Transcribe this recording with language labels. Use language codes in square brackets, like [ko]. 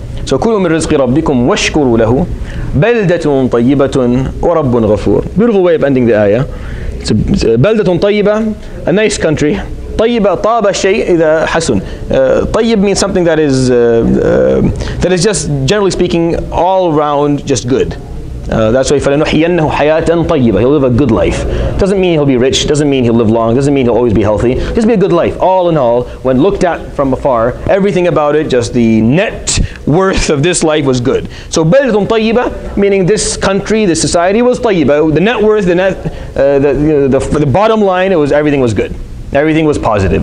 [ar] So, كُلُوا مِنْ رِزْقِ رَبِّكُمْ وَاشْكُرُوا لَهُ بَلْدَةٌ طَيِّبَةٌ وَرَبٌ غَفُورٌ. [en] Beautiful way of ending the ayah. It's [ar] بَلْدَةٌ طَيِّبَةٌ, [en] a nice country. [ar] طَيِّبَ طَابَ شَيْءٌ إِذَا حَسُنٌ. [en] طَيِّب means something that is just, generally speaking, all around just good. That's why [ar] فَلَنُحْيَنَّهُ حَيَاةً طَيِّبَةً. [en] He'll live a good life. Doesn't mean he'll be rich, doesn't mean he'll live long, doesn't mean he'll always be healthy. Just be a good life. All in all, when looked at from afar, everything about it, just the net worth of this life was good. So [ar] بَلْدٌ طَيِّبَةً, [en] meaning this country, this society was طَيِّبَةً. The net worth, the bottom line, it was everything was good. Everything was positive.